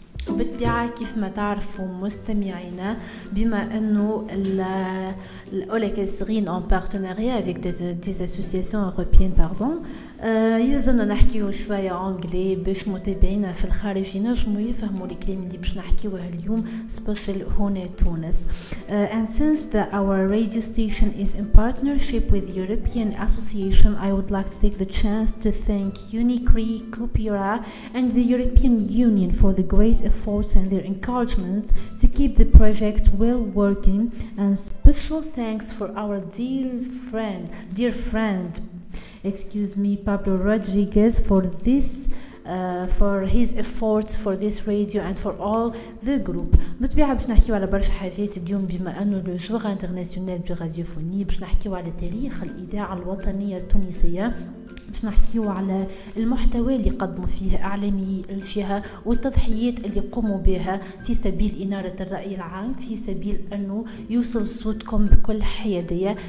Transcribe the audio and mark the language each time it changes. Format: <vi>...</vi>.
<ar>وبالطبيعة كيف ما تعرفوا مستمعينا بما انه الاوليك صغين</ar> <fr>ان بارتنيريا افيك دي اسوسياسيون اوروبيان باردون،</fr> <ar>يلزمنا نحكيو شويه انجلي باش متابعينا في الخارج ينجموا يفهموا الكلام اللي باش نحكيوه اليوم سبيشال هنا تونس.</ar> <en>And since our radio station is in partnership with the European Association, I would like to take the chance to thank Unicre, Coopera and the European Union for the great efforts and their encouragement to keep the project well working. And special thanks for our dear friend excuse me, Pablo Rodriguez, for this for his efforts for this radio and for all the group.</en> <ar>بطبيعة باش نحكيو على برشا حاجات اليوم بما انه</ar> <fr>لو جور انترناسيونال دو راديوفوني،</fr> <ar>باش نحكيو على تاريخ الإذاعة الوطنية التونسية، باش نحكيو على المحتوى اللي قدموا فيه اعلامي الجهة والتضحيات اللي قوموا بها في سبيل إنارة الرأي العام في سبيل انه يوصل صوتكم بكل حيادية.</ar>